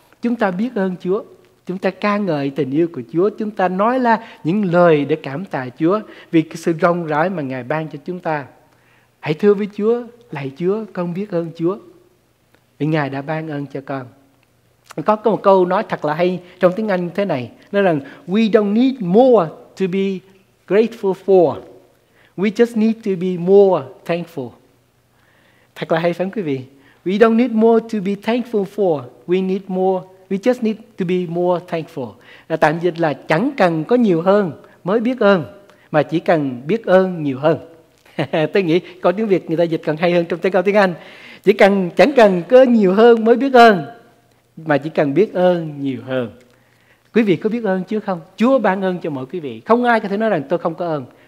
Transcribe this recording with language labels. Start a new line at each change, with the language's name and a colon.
Vietnamese: Chúng ta biết ơn Chúa, chúng ta ca ngợi tình yêu của Chúa, chúng ta nói ra những lời để cảm tạ Chúa vì cái sự rộng rãi mà Ngài ban cho chúng ta. Hãy thưa với Chúa: lạy Chúa, con biết ơn Chúa vì Ngài đã ban ơn cho con. Có một câu nói thật là hay trong tiếng Anh thế này, nói rằng:
English: we don't need more to be grateful for. We just need to be more thankful.
Vietnamese: Thật là hay phải không quý vị?
English: We don't need more to be thankful for. We just need to be more thankful.
Vietnamese: Là tạm dịch là chẳng cần có nhiều hơn mới biết ơn, mà chỉ cần biết ơn nhiều hơn. Tôi nghĩ có tiếng Việt người ta dịch còn hay hơn trong tiếng câu tiếng Anh. Chẳng cần có nhiều hơn mới biết ơn, mà chỉ cần biết ơn nhiều hơn. Quý vị có biết ơn chưa không? Chúa ban ơn cho mỗi quý vị. Không ai có thể nói rằng tôi không có ơn.